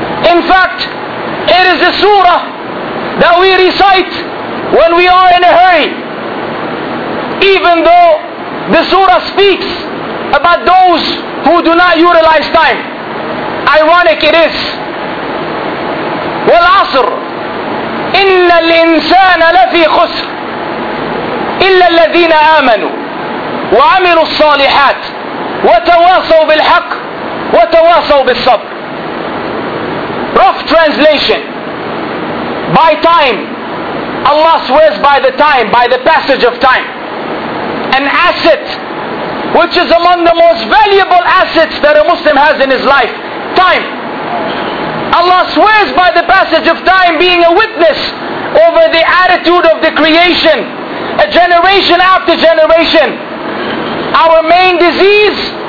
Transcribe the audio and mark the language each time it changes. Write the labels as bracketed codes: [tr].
[en] In fact, it is a surah that we recite when we are in a hurry. Even though the surah speaks about those who do not utilize time. Ironic it is. [ar] والعصر إن الإنسان لفي خسر إلا الذين آمنوا وعملوا الصالحات وتواصوا بالحق وتواصوا بالصبر. [en] Rough translation. By time, Allah swears by the time, by the passage of time. An asset which is among the most valuable assets that a Muslim has in his life. Time. Allah swears by the passage of time being a witness over the attitude of the creation, a generation after generation. Our main disease